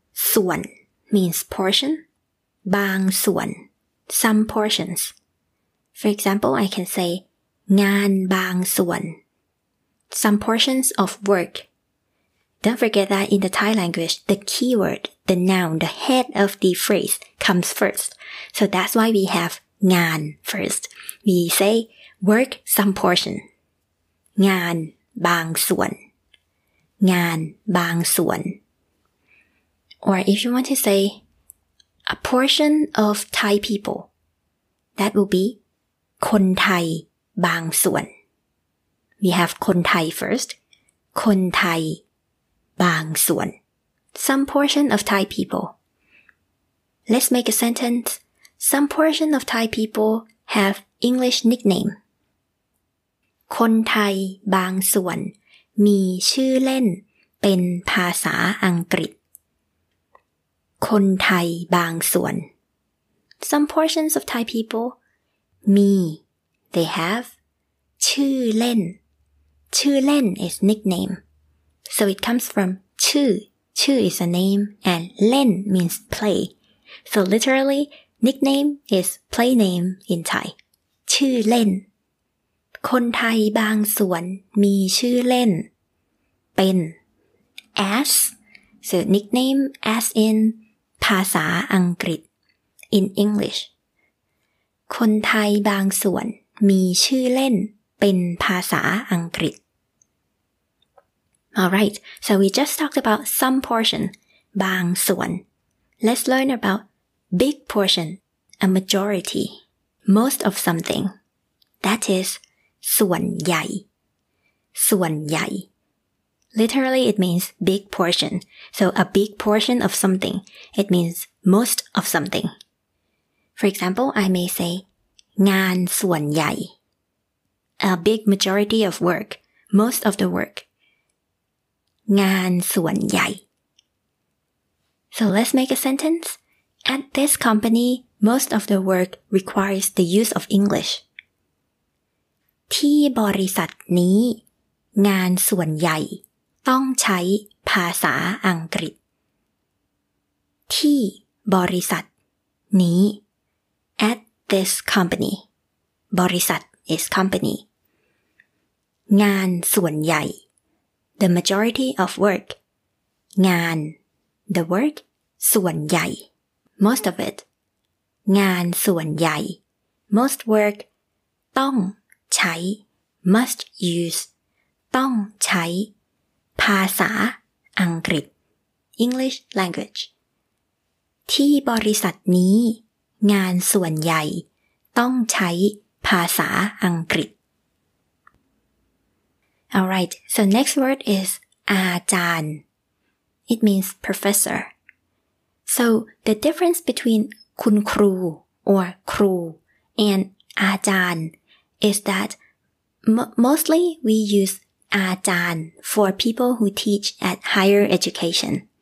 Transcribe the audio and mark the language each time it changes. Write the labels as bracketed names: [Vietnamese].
[English] ส่วน means portion. บางส่วน some portions for example I can say งานบางส่วน some portions of work don't forget that in the Thai language the keyword the noun the head of the phrase comes first so that's why we have งาน first we say work some portion [Thai] งานบางส่วนงานบางส่วน [English] or if you want to say a portion of Thai people, that will be [Thai] คนไทยบางส่วน [English] We have คนไทย first. [Thai] คนไทยบางส่วน [English] Some portion of Thai people. Let's make a sentence. Some portion of Thai people have English nickname. [Thai] คนไทยบางส่วนมีชื่อเล่นเป็นภาษาอังกฤษ คนไทยบางส่วน [English] Some portions of Thai people they have ชื่อเล่นชื่อเล่น is nickname so it comes from ชื่อ is a name and เล่น means play so literally nickname is play name in Thai [Thai] ชื่อเล่นคนไทยบางส่วนมีชื่อเล่นเป็น [English] as so nickname as in [Thai] ภาษาอังกฤษ [English] in English [Thai] คนไทยบางส่วนมีชื่อเล่นเป็นภาษาอังกฤษ [English] Alright, so we just talked about some portion บางส่วน Let's learn about big portion a majority most of something that is [Thai] ส่วนใหญ่ส่วนใหญ่ [English] Literally, it means big portion. So a big portion of something, it means most of something. For example, I may say, [Thai] งานส่วนใหญ่ [English] A big majority of work, most of the work. [Thai] งานส่วนใหญ่ [English] So let's make a sentence. At this company, most of the work requires the use of English. [Thai] ที่บริษัทนี้งานส่วนใหญ่ต้องใช้ภาษาอังกฤษที่บริษัทนี้ [English] at this company บริษัท is company [Thai] งานส่วนใหญ่ [English] the majority of work [Thai] งาน [English] the work [Thai] ส่วนใหญ่ [English] most of it [Thai] งานส่วนใหญ่ [English] most work [Thai] ต้องใช้ [English] must use [Thai] ต้องใช้ภาษาอังกฤษ [English] English language [Thai] ที่บริษัทนี้งานส่วนใหญ่ต้องใช้ภาษาอังกฤษ [English] Alright, so next word is อาจารย์ It means professor So the difference between คุณครู or ครู and อาจารย์ is that mostly we useอาจารย์ for people who teach at higher education.